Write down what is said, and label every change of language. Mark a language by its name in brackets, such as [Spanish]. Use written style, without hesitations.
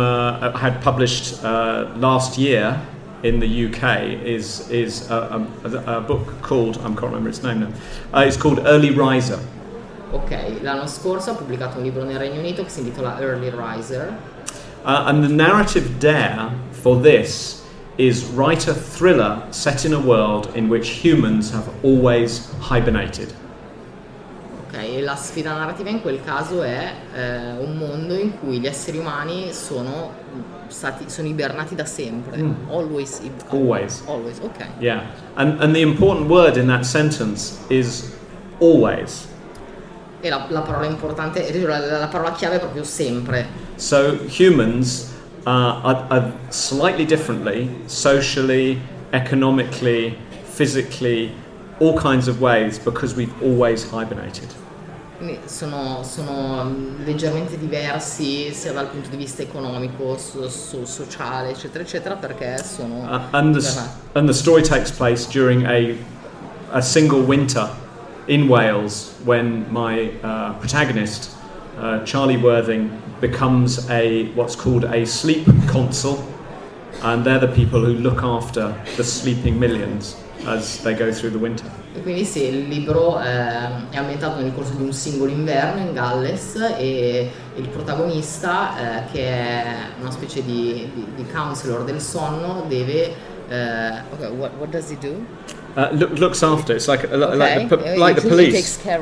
[English] The book I had published last year in the UK is a book called, I can't remember its name now, it's called Early Riser. [Italian] Ok, l'anno scorso ho pubblicato un libro nel Regno Unito che si intitola Early Riser. [English] And the narrative dare for this is write a thriller set in a world in which humans have always hibernated. [Italian] Ok, e la sfida narrativa in quel caso è un mondo in cui gli esseri umani sono ibernati da sempre. [English] Mm. Always. Always. Always, ok. Yeah, and the important word in that sentence is always. [Italian] E la parola importante, la parola chiave è proprio sempre. [English] So humans are slightly differently, socially, economically, physically, all kinds of ways, because we've always hibernated. [Italian] Quindi sono leggermente diversi sia dal punto di vista economico, sociale, eccetera, eccetera, perché sono... [English] And the story takes place during a single winter in Wales, when my protagonist, Charlie Worthing, becomes what's called a sleep consul, and they're the people who look after the sleeping millions as they go through the winter. [Italian] E quindi sì, il libro è ambientato nel corso di un singolo inverno in Galles, e il protagonista, che è una specie di counselor del sonno, deve... [English] What does he do? Looks after. It's like the police.